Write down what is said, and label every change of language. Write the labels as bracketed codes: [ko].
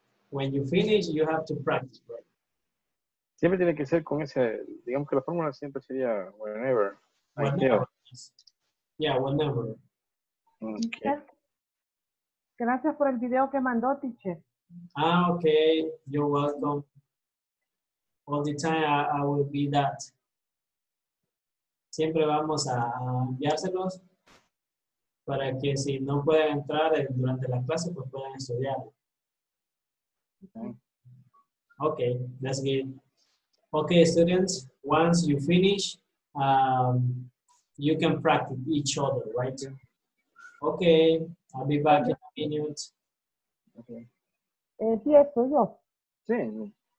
[en] When you finish, you have to practice, right? [es] Siempre tiene que ser con ese, digamos que la fórmula siempre sería whenever. [en] Whenever. Yeah, whenever. Okay. [es] Gracias por el video que mandó, teacher. [en] Ah, okay. You're welcome. All the time I will be that. [es] Siempre vamos a enviárselos. Para que si no pueden entrar durante la clase, pues puedan estudiar. [en] Okay, that's good. Okay, students, once you finish, you can practice each other, right? Okay, I'll be back in a minute. Okay. [es] Sí, estoy yo. Sí.